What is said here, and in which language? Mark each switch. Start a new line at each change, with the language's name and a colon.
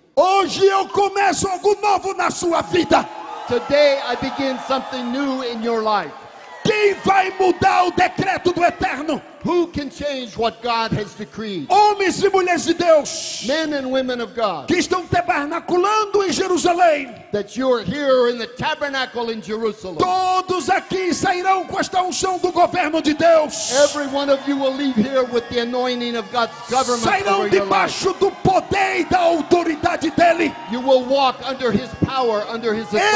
Portuguese: hoje eu começo algo novo na sua vida.
English: Today I begin something new in your life.
Portuguese: Quem vai mudar o decreto do eterno?
English: Who can change what God has decreed?
Portuguese: Homens e mulheres de Deus,
English: men and women of God,
Portuguese: que estão tabernaculando em Jerusalém,
English: that you are here in the tabernacle in Jerusalem,
Portuguese: todos aqui sairão com esta unção do governo de Deus.
English: Every one of you will leave here with the anointing of God's government.
Portuguese: Sairão debaixo
English: your life.
Portuguese: Do poder e da autoridade dele.
English: You will walk under his power, under his authority.